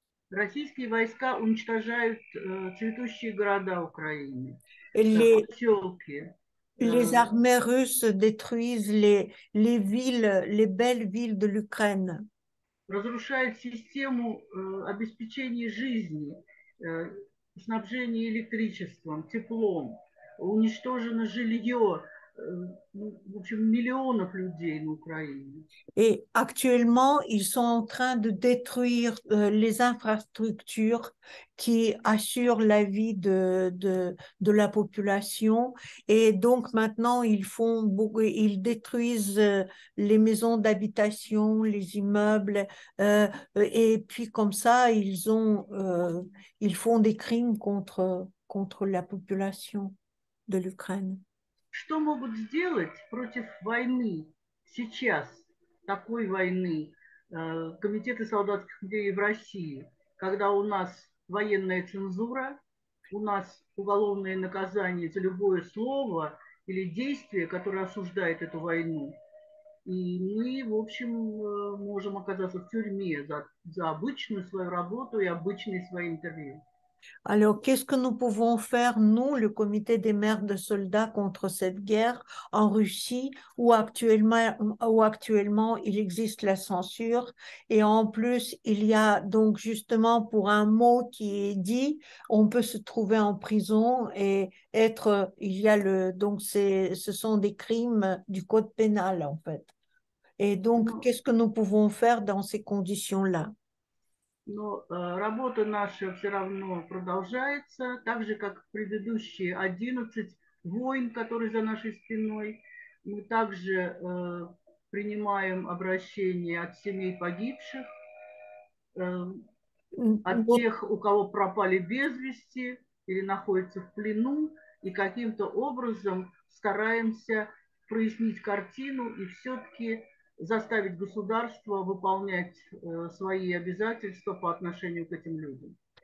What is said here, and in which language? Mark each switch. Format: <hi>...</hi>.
<ru>Российские войска уничтожают цветущие города Украины,</ru> <fr>Les</fr> <ru>поселки.</ru> <fr>Армées russes détruisent les villes, les belles villes de l'Ukraine.</fr> <ru>Разрушают систему обеспечения жизни, снабжения электричеством, теплом. Уничтожено жилье, в общем, миллионов людей на Украине.</ru> <fr>Et actuellement, ils sont en train de détruire les infrastructures qui assurent la vie de la population. Et donc maintenant, ils détruisent les maisons d'habitation, les immeubles. Et puis comme ça, ils font des crimes contre la population de l'Ukraine.</fr> <ru>Что могут сделать против войны сейчас, такой войны, комитеты солдатских людей в России, когда у нас военная цензура, у нас уголовное наказание за любое слово или действие, которое осуждает эту войну. И мы, в общем, можем оказаться в тюрьме за обычную свою работу и обычные свои интервью.</ru> <fr>Alors, qu'est-ce que nous pouvons faire, nous, le comité des mères de soldats, contre cette guerre en Russie où actuellement il existe la censure et en plus il y a donc justement pour un mot qui est dit, on peut se trouver en prison et être, il y a le, donc c'est, ce sont des crimes du code pénal en fait. Et donc,</fr> <ru>Но</ru> <fr>qu'est-ce que nous pouvons faire dans ces conditions-là?</fr> <ru>работа наша все равно продолжается, так же, как предыдущие 11 войн, которые за нашей спиной. Мы также принимаем обращения от семей погибших, от тех, у кого пропали без вести или находятся в плену, и каким-то образом стараемся прояснить картину и все-таки заставить государство выполнять свои обязательства по отношению к этим людям.</ru>